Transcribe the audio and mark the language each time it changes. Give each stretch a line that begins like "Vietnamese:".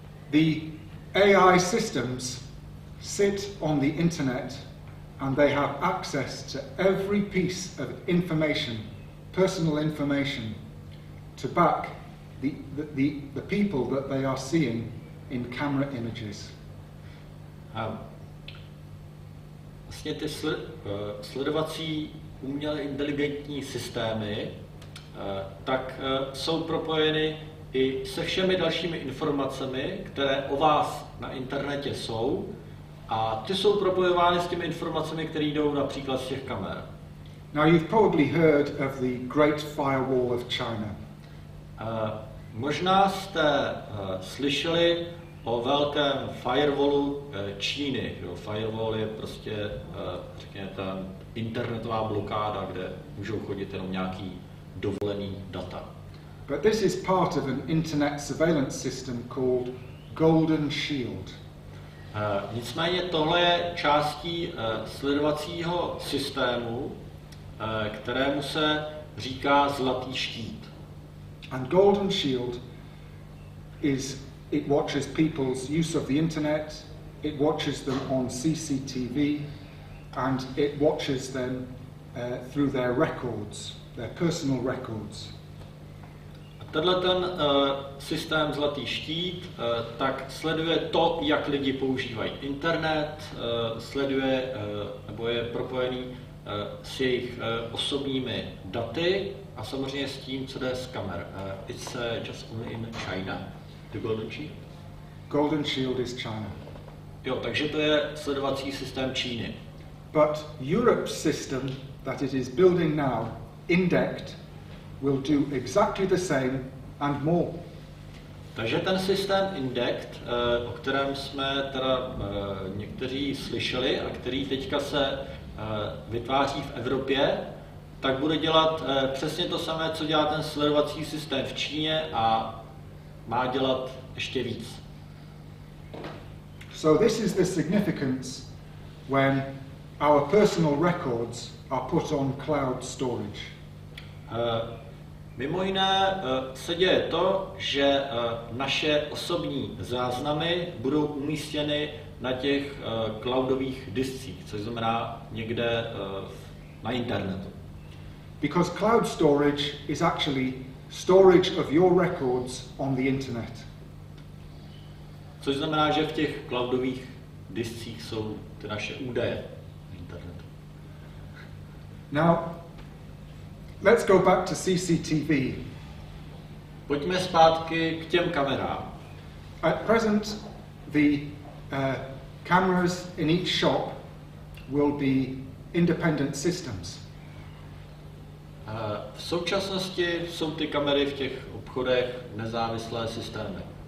English: The AI systems sit on the internet and they have access to every piece of information, personal information, to back the people that they are seeing in camera images.
Czech: Vlastně ty sledovací umělé inteligentní systémy tak jsou propojeny i se všemi dalšími informacemi, které o vás na internetě jsou, a ty jsou propojovány s těmi informacemi, které jdou například z těch kamer.
English: Now you've probably heard of the Great Firewall of China.
Czech: Možná jste slyšeli o velkém firewallu Číny. Jo, firewall je prostě, řekněme, ta internetová blokáda, kde můžou chodit jenom nějaký dovolený data.
English: But this is part of an internet surveillance system called Golden Shield.
Czech: Nicméně tohle je částí sledovacího systému, kterému se říká Zlatý štít.
English: And Golden Shield is it watches people's use of the internet, it watches them on CCTV, and it watches them through their records, their personal records.
Czech: Tenhle ten systém Zlatý štít tak sleduje to, jak lidi používají internet, sleduje nebo je propojený s jejich osobními daty a samozřejmě s tím, co jde z kamer.
English: It's just only in China. The Golden Shield? Golden Shield is China.
Czech: Jo, takže to je sledovací systém Číny.
English: But Europe's system that it is building now, INDECT, will do exactly the same and more.
Czech: Takže ten systém INDECT, o kterém jsme teda někteří slyšeli a který teďka se vytváří v Evropě, tak bude dělat přesně to samé, co dělá ten sledovací systém v Číně a má dělat ještě víc.
English: So this is the significance when our personal records are put on cloud storage.
Czech: Mimo jiné se děje to, že naše osobní záznamy budou umístěny na těch cloudových discích, což znamená někde na internetu.
English: Because cloud storage is actually storage of your records on the internet.
Czech: Což znamená, že v těch cloudových discích jsou ty naše údaje na internetu.
English: Now, let's go back to CCTV.
Czech: Pojďme zpátky k těm kamerám.
English: At present, the cameras in each shop will be independent systems.
Czech: V současnosti jsou ty kamery v těch obchodech nezávislé systémy.